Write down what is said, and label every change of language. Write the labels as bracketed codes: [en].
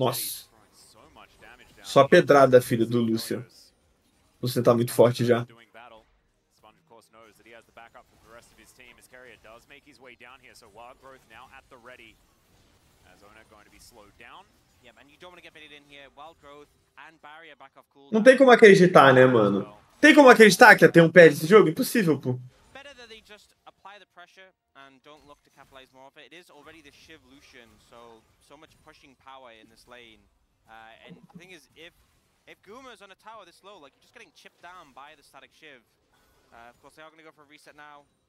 [pt] Nossa. [en] So much damage down. [pt] Só pedrada, filho do Lúcio. Você tá muito forte já. [en] Sponge, of course, knows that he has the backup from the rest of his team. His carrier does make his way down here. So Wild Growth now at the ready. As Ona going to be slowed down. Yeah, man, you don't want to get baited in here. Wild Growth and Barrier back off cool. [pt] Não tem como acreditar, né, mano? Tem como acreditar que até um perde esse jogo? Impossível, pô. [en] Better that they just apply apply the pressure and don't look to capitalize more of it. It is already the Shiv Lucian, so much pushing power in this lane. And the thing is, if Guma is on a tower this low, like, you're just getting chipped down by the static Shiv. Of course, they are going to go for a reset now.